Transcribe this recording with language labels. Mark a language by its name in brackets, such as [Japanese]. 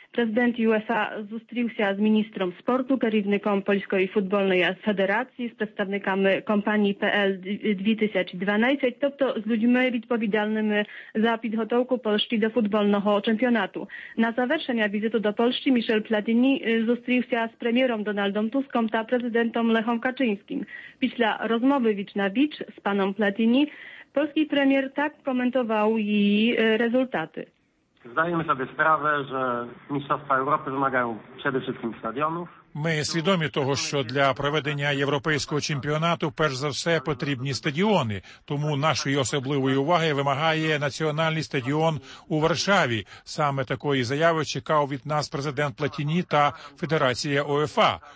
[Ukrainian] Президент УЄФА зустрівся з міністром спорту, керівником Польської футбольної федерації, з представниками компанії PL 2012, тобто з людьми відповідальними за підготовку Польщі до футбольного чемпіонату. На завершення візиту до Польщі Мішель Платіні зустрівся з прем'єром Дональдом Туском та президентом Лехом Качинським. Після розмови віч на віч з паном Платіні [Polish] polski premier tak komentował jej rezultaty. Zdajemy sobie sprawę, że Mistrzostwa Europy wymagają przede wszystkim stadionów. [Ukrainian] Ми свідомі того, що для проведення європейського чемпіонату перш за все потрібні стадіони, тому нашої особливої уваги вимагає національний стадіон у Варшаві. Саме такої заяви чекав від нас президент Платіні та Федерація УЄФА.